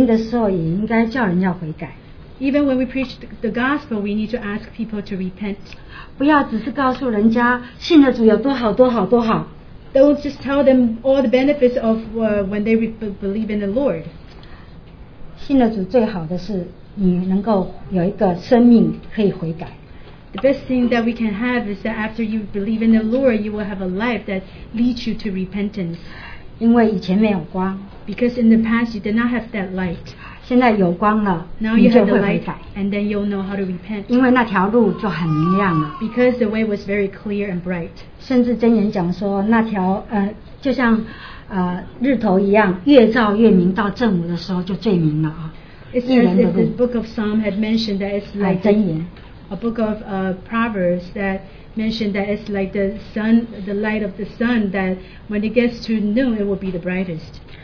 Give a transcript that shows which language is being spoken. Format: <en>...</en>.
<zh>那甚至我们传福音的时候也应该叫人要悔改。</zh> <en>Even when we preach the gospel, we need to ask people to repent.</en> <zh>不要只是告诉人家, 信了主有多好多好多好。</zh> <en>Don't just tell them all the benefits of when they believe in the Lord.</en> <zh>信了主最好的是你能够有一个生命可以悔改。</zh> <en>The best thing that we can have is that after you believe in the Lord, you will have a life that leads you to repentance.</en> <zh>因为以前没有光,</zh> <en>because in the past, you did not have that light.</en> <zh>现在有光了,</zh> <en>now you have the light, and then you'll know how to repent.</en> <zh>因为那条路就很明亮了,</zh> <en>because the way was very clear and bright.</en> <zh>甚至真言讲说, 那条, 就像, 日头一样, 越照越明, 到正午的时候就最明了,</zh> <en>it's as if the book of Psalm had mentioned that it's like</en> <zh>真言,</zh> <en>a book of Proverbs that mentioned that it's like the sun, the light of the sun, that when it gets to noon, it will be the brightest.</en>